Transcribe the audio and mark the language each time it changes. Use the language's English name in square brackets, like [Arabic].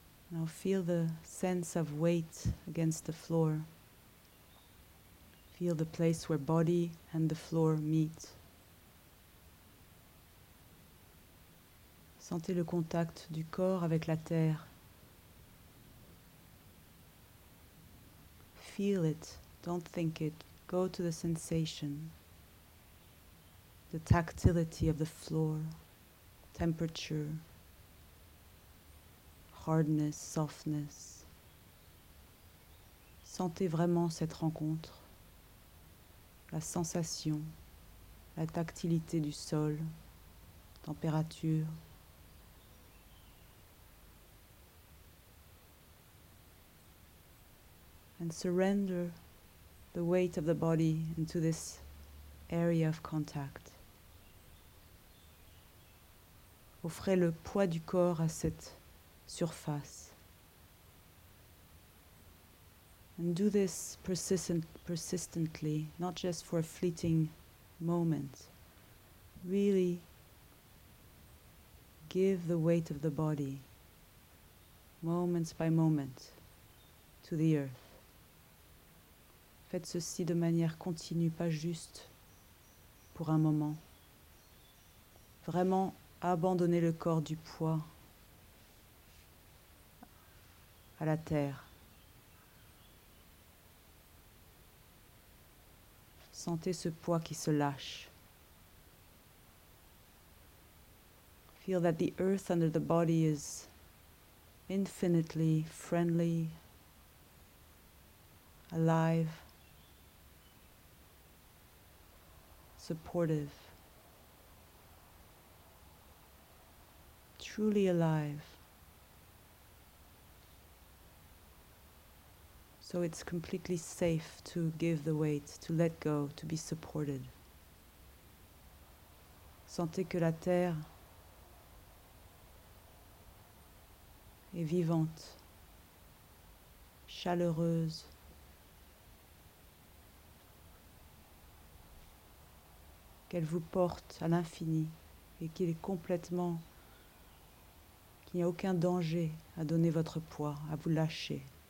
[English] Now feel the sense of weight against the floor. Feel the place where body and the floor meet. [French] Sentez le contact du corps avec la terre. [English] Feel it, don't think it. Go to the sensation, the tactility of the floor, temperature, hardness, softness. [French] Sentez vraiment cette rencontre, la sensation, la tactilité du sol, température. [English] And surrender the weight of the body into this area of contact. [French] Offrez le poids du corps à cette surface. [English] And do this persistently, not just for a fleeting moment. Really give the weight of the body, moment by moment, to the earth. [French] Faites ceci de manière continue, pas juste pour un moment. Vraiment abandonnez le corps du poids à la terre. Sentez ce poids qui se lâche. [English] Feel that the earth under the body is infinitely friendly, alive, supportive, truly alive. So it's completely safe to give the weight, to let go, to be supported. [French] Sentez que la terre est vivante, chaleureuse, qu'elle vous porte à l'infini et qu'il est complètement, qu'il n'y a aucun danger à donner votre poids, à vous lâcher.